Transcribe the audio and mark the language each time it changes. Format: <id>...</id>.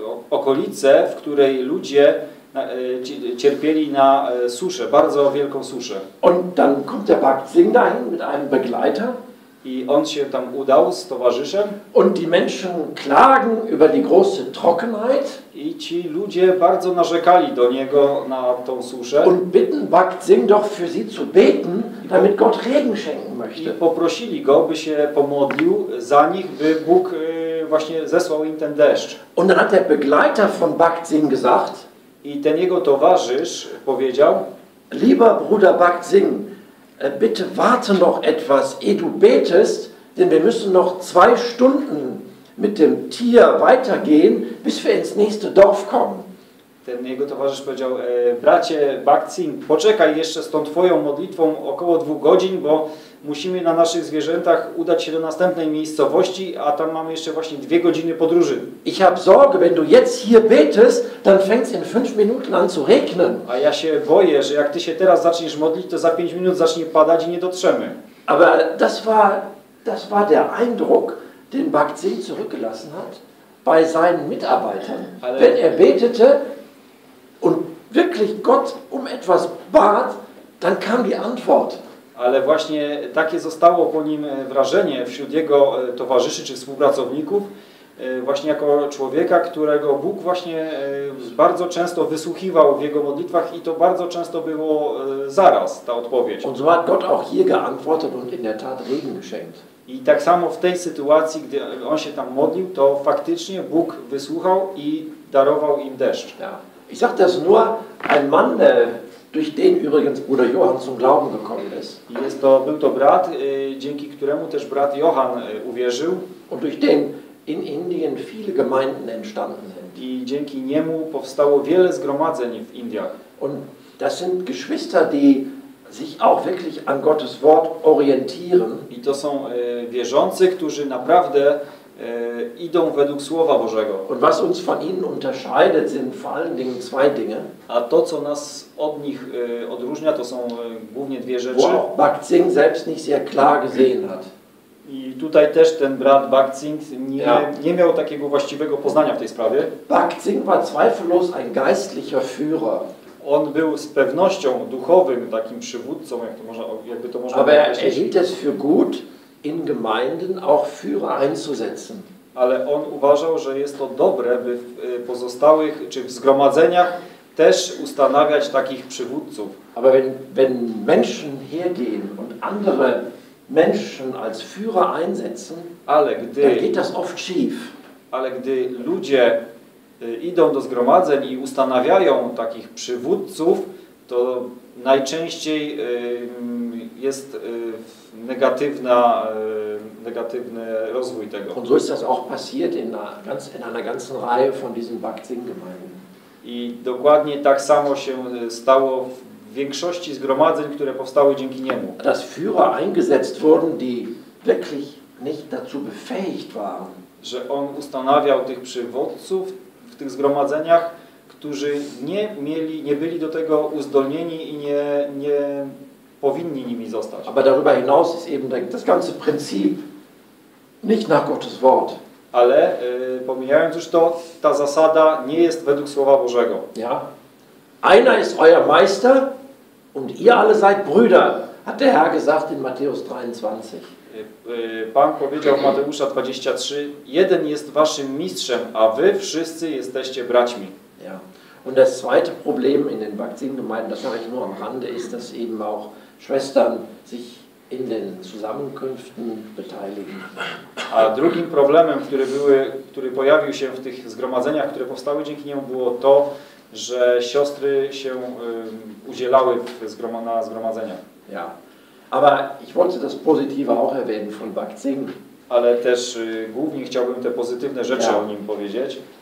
<pl>Okolice, w której ludzie cierpieli na suszę, bardzo wielką suszę.</pl> <de>Und dann kommt der Bhakt Singh dahin mit einem Begleiter.</de> <pl>I on się tam udał z towarzyszem.</pl> <de>Und die Menschen klagen über die große Trockenheit.</de> <pl>I ci ludzie bardzo narzekali do niego na tą suszę.</pl> <de>Und bitten Bhakt Singh doch für sie zu beten, damit Gott Regen schenken möchte.</de> <pl>I poprosili go, by się pomodlił za nich, by Bóg właśnie zesłał im ten deszcz.</pl> <de>Und dann hat der Begleiter von Bhakt Singh gesagt.</de> <pl>I ten jego towarzysz powiedział:</pl> <de>Lieber Bruder Bhakt Singh, bitte warte noch etwas, ehe du betest, denn wir müssen noch zwei Stunden mit dem Tier weitergehen, bis wir ins nächste Dorf kommen.</de> <pl>Ten jego towarzysz powiedział: Bracie Bhakt Singh, poczekaj jeszcze z tą twoją modlitwą około 2 godzin, bo musimy na naszych zwierzętach udać się do następnej miejscowości, a tam mamy jeszcze właśnie 2 godziny podróży.</pl> <de>Ich hab Sorge, wenn du jetzt hier betest, dann fängt's in 5 Minuten an zu regnen.</de> <pl>A ja się boję, że jak ty się teraz zaczniesz modlić, to za 5 minut zacznie padać i nie dotrzemy.</pl> <de>Aber das war der Eindruck, den Bhakt Singh zurückgelassen hat bei seinen Mitarbeitern.</de> <pl>Ale</pl> <de>wenn er betete und wirklich Gott um etwas bat, dann kam die Antwort.</de> <pl>Ale właśnie takie zostało po nim wrażenie wśród jego towarzyszy czy współpracowników, właśnie jako człowieka, którego Bóg właśnie bardzo często wysłuchiwał w jego modlitwach i to bardzo często było zaraz ta odpowiedź.</pl> <de>Und so hat Gott auch hier geantwortet und in der Tat Regen geschenkt.</de> <pl>I tak samo w tej sytuacji, gdy on się tam modlił, to faktycznie Bóg wysłuchał i darował im deszcz.</pl> <de>Ja. Ich sag das nur, ein Mann, der durch den übrigens Bruder Johann zum Glauben gekommen ist.</de> <pl>Jest to, był to brat, dzięki któremu też brat Johann uwierzył.</pl> <de>Und durch den in Indien viele Gemeinden entstanden sind.</de> <pl>I dzięki niemu powstało wiele zgromadzeń w Indiach.</pl> <de>Und das sind Geschwister, die sich auch wirklich an Gottes Wort orientieren.</de> <pl>I to są wierzący, którzy naprawdę idą według Słowa Bożego.</pl> <de>Und was uns von ihnen unterscheidet, sind vor allen Dingen 2 Dinge.</de> <pl>A to, co nas od nich odróżnia, to są głównie 2 rzeczy.</pl> <de>Wo auch Bhakt Singh selbst nicht sehr klar gesehen hat.</de> <pl>I tutaj też ten brat Bhakt Singh nie miał takiego właściwego poznania w tej sprawie.</pl> <de>Bhakt Singh war zweifellos ein geistlicher Führer.</de> <pl>On był z pewnością duchowym takim przywódcą, jakby to można</pl> <de>aber</de> <pl>określić.</pl> <de>Aber er hielt es für gut, in Gemeinden auch Führer einzusetzen.</de> <pl>Ale on uważał, że jest to dobre, by w pozostałych czy w zgromadzeniach też ustanawiać takich przywódców.</pl> <de>Aber wenn Menschen hergehen und andere Menschen als Führer einsetzen, dann geht das oft schief.</de> <pl>Ale gdy ludzie idą do zgromadzeń i ustanawiają takich przywódców, to najczęściej jest negatywny rozwój tego.</pl> <de>Und so ist das auch passiert in einer ganzen Reihe von diesen Bhakt Singh Gemeinden.</de> <pl>I dokładnie tak samo się stało w większości zgromadzeń, które powstały dzięki niemu.</pl> <de>Dass Führer eingesetzt wurden, die wirklich nicht dazu befähigt waren.</de> <pl>Że on ustanawiał tych przywódców w tych zgromadzeniach, którzy nie byli do tego uzdolnieni i nie powinni nimi zostać.</pl> <de>Aber darüber hinaus ist eben das ganze Prinzip nicht nach Gottes Wort.</de> <pl>Ale pomijając już to, ta zasada nie jest według Słowa Bożego.</pl> <de>Ja. Einer ist euer Meister und ihr alle seid Brüder, hat der Herr gesagt in Matthäus 23.</de> <pl>Pan powiedział w Mateusza 23, jeden jest waszym mistrzem, a wy wszyscy jesteście braćmi.</pl> <de>Ja. Und das zweite Problem in den Baptistengemeinden, das sage ich nur am Rande, ist, dass eben auch Schwestern sich in den Zusammenkünften beteiligen.</de> <pl>A drugim problemem, który pojawił się w tych zgromadzeniach, które powstały dzięki niemu, było to, że siostry się udzielały na zgromadzenia.</pl> <de>Ja. Aber ich wollte das Positive auch erwähnen von Baktsing.</de> <pl>Ale też głównie chciałbym te pozytywne rzeczy ja. O nim powiedzieć.</pl>